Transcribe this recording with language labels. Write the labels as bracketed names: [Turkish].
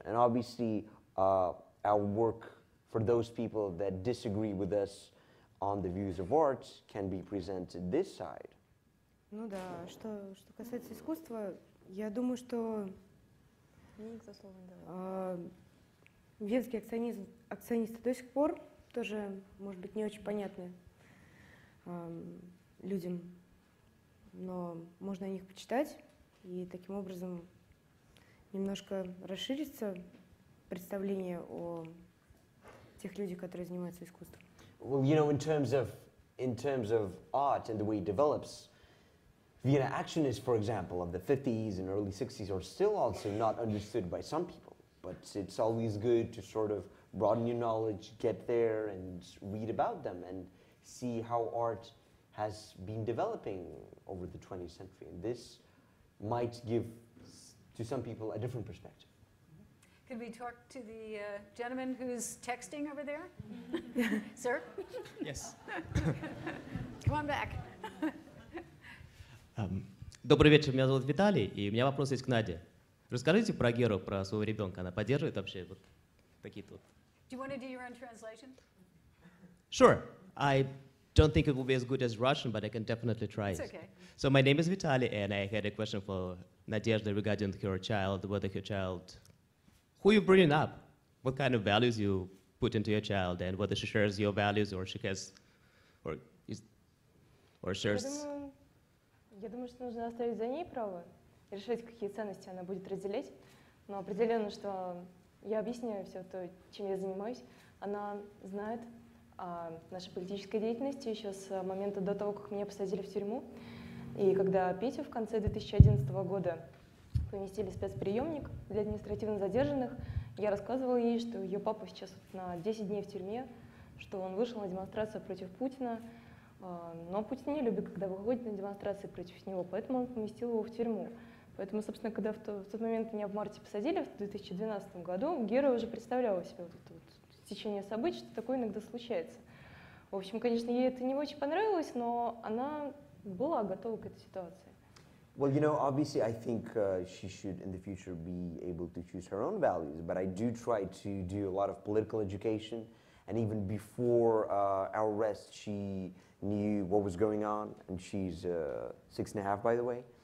[English] And obviously our work for those people that disagree with us on the views of art can be presented this side. [Russian] Ну да, что касается искусства, я думаю, что венский акционист до сих пор тоже, может быть, не очень понятны людям, но можно о них почитать и таким образом немножко расшириться представление о тех людях, которые занимаются искусством. [English] Well, you know, in terms of art and the way it develops, Vienna Actionists, for example, of the 50s and early 60s are still also not understood by some people, but it's always good to sort of broaden your knowledge, get there and read about them and see how art has been developing over the 20th century. And this might give to some people a different perspective. Could we talk to the gentleman who's texting over there? Sir? Yes. Come on back. [Russian] Добрый вечер, меня зовут Виталий, и у меня вопрос есть к Наде. Расскажите про Геру, про своего ребенка. Она поддерживает вообще вот такие тут? [English] Do you want to do your own translation? Sure. I don't think it will be as good as Russian, but I can definitely try it's it. Okay. So my name is Vitaly, and I had a question for Nadezhda regarding her child, whether her child, who you bringing up, what kind of values you put into your child, and whether she shares your values or she has, or is, or shares. [Russian] Я думаю, что нужно оставить за ней право решать, какие ценности она будет разделять. Но определенно, что я объясняю все то, чем я занимаюсь. Она знает нашей политической деятельности еще с момента до того, как меня посадили в тюрьму. И когда Петю в конце 2011 года поместили в спецприемник для административно задержанных, я рассказывала ей, что ее папа сейчас на 10 дней в тюрьме, что он вышел на демонстрацию против Путина. Но Путин не любит, когда выходит на демонстрации против него, поэтому он поместил его в тюрьму. Поэтому, собственно, когда в тот момент меня в марте посадили, в 2012 году, Гера уже представляла себе вот это вот течение событий, что такое иногда случается. В общем, конечно, ей это не очень понравилось, но она была готова к этой ситуации. [English] Well, you know, obviously, I think she should in the future be able to choose her own values, but I do try to do a lot of political education, and even before our arrest, she knew what was going on, and she's 6 and a half, by the way.